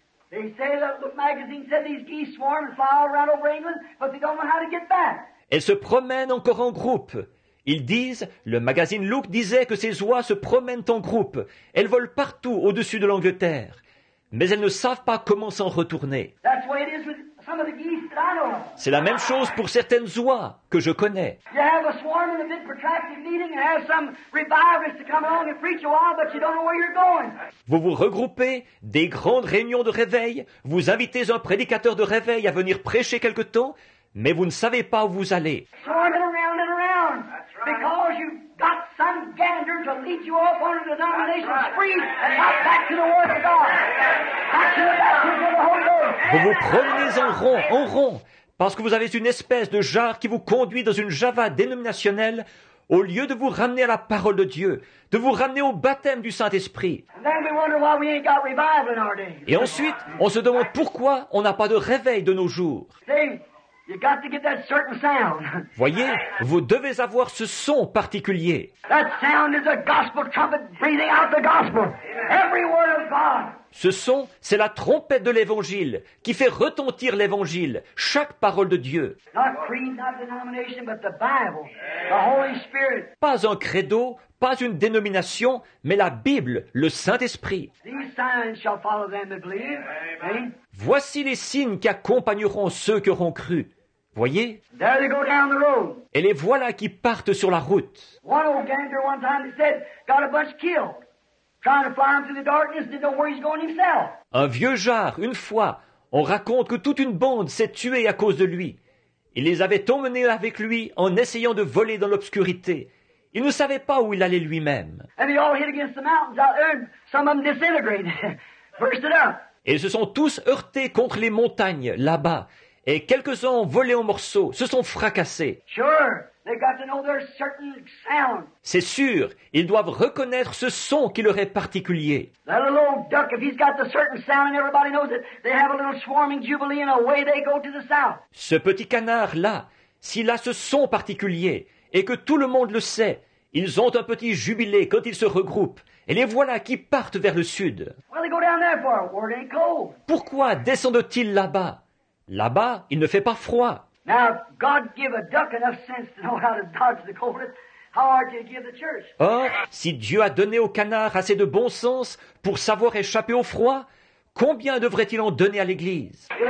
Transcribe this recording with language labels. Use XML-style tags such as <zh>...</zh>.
<en>They say that the magazine said these geese swarm and fly all around over England, but they don't know how to get back.</en> <fr>Elles se promènent encore en groupe. Ils disent, le magazine Look disait que ces oies se promènent en groupe. Elles volent partout au-dessus de l'Angleterre. Mais elles ne savent pas comment s'en retourner.</fr> <en>That's the way it is with some of the geese that I know.</en> <fr>C'est la même chose pour certaines oies que je connais.</fr> <en>You have a swarm in a bit protracted meeting and have some revivalists to come along and preach a while, but you don't know where you're going.</en> <fr>Vous vous regroupez, des grandes réunions de réveil, vous invitez un prédicateur de réveil à venir prêcher quelque temps, mais vous ne savez pas où vous allez.</fr> <en>Swarm it around and around. Because you got some gander to lead you off on the denomination spree and not back to the Word of God. Back to the baptism of the Holy Ghost.</en> <fr>Vous vous promenez en rond, parce que vous avez une espèce de jar qui vous conduit dans une java dénominationnelle au lieu de vous ramener à la parole de Dieu, de vous ramener au baptême du Saint-Esprit.</fr> <en>And then we wonder why we ain't got revival in our day.</en> <fr>Et ensuite, on se demande pourquoi on n'a pas de réveil de nos jours.</fr> <en>See, you got to get that certain sound.</en> <fr>Voyez, vous devez avoir ce son particulier.</fr> <en>That sound is a gospel trumpet breathing out the gospel. Every word of God.</en> <fr>Ce son, c'est la trompette de l'Évangile qui fait retentir l'Évangile, chaque parole de Dieu.</fr> <en>Not creed, not denomination, but the Bible, the Holy Spirit.</en> <fr>Pas un credo, pas une dénomination, mais la Bible, le Saint-Esprit.</fr> <en>These signs shall follow them that believe. Amen.</en> <fr>Voici les signes qui accompagneront ceux qui auront cru. Voyez?</fr> <en>There they go down the road.</en> <fr>Et les voilà qui partent sur la route.</fr> <en>One old gander one time he said, got a bunch killed. Trying to fly him through the darkness, didn't know where he's going himself.</en> <fr>Un vieux jar, une fois, on raconte que toute une bande s'est tuée à cause de lui. Il les avait emmenés avec lui en essayant de voler dans l'obscurité. Il ne savait pas où il allait lui-même.</fr> <en>And they all hit against the mountains out there, and some of them disintegrated, burst it up.</en> <fr>Et ils se sont tous heurtés contre les montagnes là-bas, et quelques-uns ont volé en morceaux, se sont fracassés.</fr> <en>Sure. They got to know their certain sound.</en> <fr>C'est sûr, ils doivent reconnaître ce son qui leur est particulier.</fr> <en>That little old duck, if he's got the certain sound, everybody knows it. They have a little swarming jubilee, and away they go to the south.</en> <fr>Ce petit canard là, s'il a ce son particulier et que tout le monde le sait, ils ont un petit jubilé quand ils se regroupent. Et les voilà qui partent vers le sud.</fr> <en>Why they go down there for? Word ain't cold.</en> <fr>Pourquoi descendent-ils là-bas? Là-bas, il ne fait pas froid.</fr> <en>Now, God give a duck enough sense to know how to dodge the coldest. How hard can he give the church?</en> <fr>Or, si Dieu a donné au canard assez de bon sens pour savoir échapper au froid, Combien devrait-il en donner à l'Église?</fr>